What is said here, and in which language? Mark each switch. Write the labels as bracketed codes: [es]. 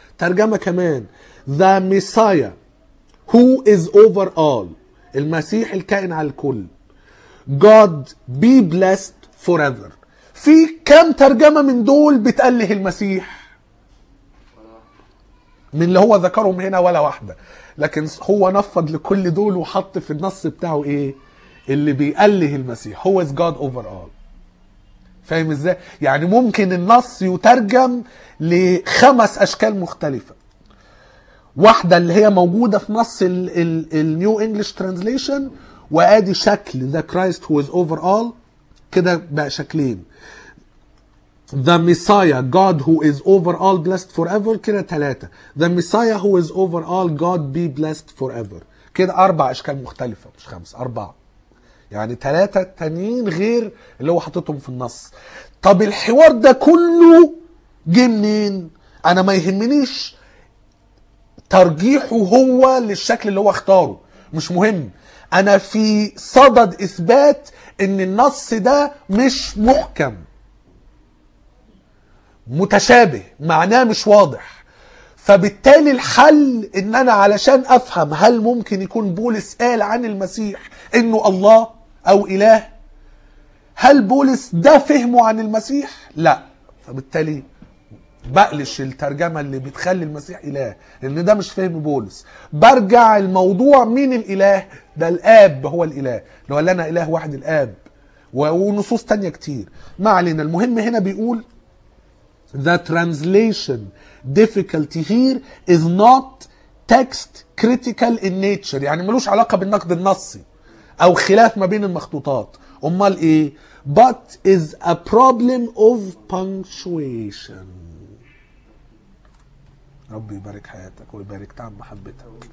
[ar] ترجمة كمان [en] The Messiah who is over all, [ar] المسيح الكائن على الكل, [en] God be blessed forever. [ar] في كم ترجمة من دول بتأله المسيح من اللي هو ذكرهم هنا؟ ولا واحدة. لكن هو نفض لكل دول وحط في النص بتاعه ايه اللي بيأله المسيح, هو [en] is God over all. [ar] فاهم ازاي؟ يعني ممكن النص يترجم لخمس اشكال مختلفة. واحدة اللي هي موجودة في نص النيو انجلش ترانزليشن, وادي شكل [en] The Christ who is over all, [ar] كده بقى شكلين [en] The Messiah, God who is over all blessed forever, [ar] كده ثلاثة. [en] The Messiah who is over all, God be blessed forever, [ar] كده أربع أشكال مختلفة مش خمس, أربعة. يعني ثلاثة تانيين غير اللي هو حطتهم في النص. طب الحوار ده كله جي منين؟ أنا ما يهمنيش ترجيحه هو للشكل اللي هو اختاره, مش مهم. أنا في صدد إثبات إن النص ده مش محكم, متشابه, معناه مش واضح. فبالتالي الحل إن أنا علشان أفهم هل ممكن يكون بولس قال عن المسيح إنه الله أو إله, هل بولس ده فهمه عن المسيح؟ لا. فبالتالي بقلش الترجمة اللي بتخلي المسيح إله, لأن ده مش فهم بولس. برجع الموضوع مين الإله؟ ده الآب هو الإله, لو قال لنا إله واحد الآب, ونصوص تانية كتير ما علينا. المهم هنا بيقول [en] The translation difficulty here is not text critical in nature, [ar] يعني ملوش علاقة بالنقد النصي أو خلاف ما بين المخطوطات, أمال إيه؟ [en] But is a problem of punctuation. [ar] ربي يبارك حياتك ويبارك طعم محبتك.